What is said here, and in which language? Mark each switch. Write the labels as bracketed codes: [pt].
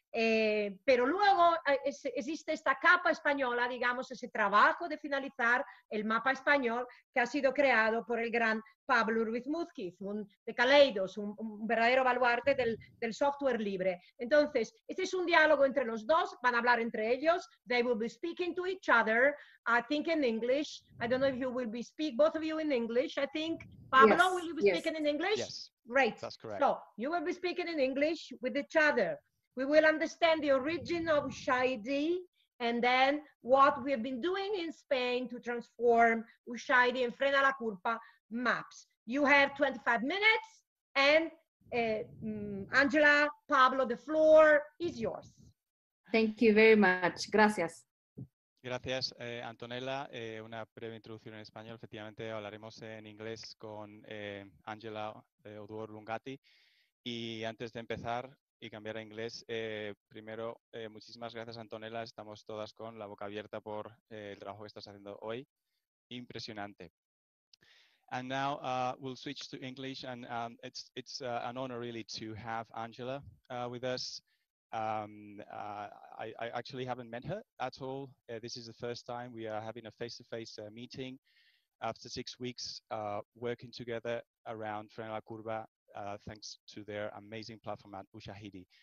[es] Pero luego existe esta capa española, digamos, ese trabajo de finalizar el mapa español que ha sido creado por el gran Pablo Ruiz Múzquiz, un de Caleidos, un verdadero baluarte del software libre. Entonces, este es un diálogo entre los dos, van a hablar entre ellos. [en] They will be speaking to each other, I think in English. I don't know if you will be speak, both of you in English, I think. Pablo, yes. Will you be yes. speaking in English? Yes. Great. That's correct. So, you will be speaking in English with each other. We will understand the origin of Ushahidi and then what we have been doing in Spain to transform Ushahidi and Frena la Curva maps. You have 25 minutes and Angela, Pablo, the floor is yours. Thank you very much. [es] Gracias. Gracias, Antonella. Una breve introducción en español. Efectivamente, hablaremos en inglés con Angela Oduor Lungati. Y antes de empezar y cambiar a inglés, primero, muchísimas gracias, Antonella. Estamos todas con la boca abierta por el trabajo que estás haciendo hoy. Impresionante. [en] And now we'll switch to English, and it's an honor really to have Angela with us. I actually haven't met her at all. This is the first time we are having a face-to-face meeting after 6 weeks working together around Frena la Curva, thanks to their amazing platform at Ushahidi.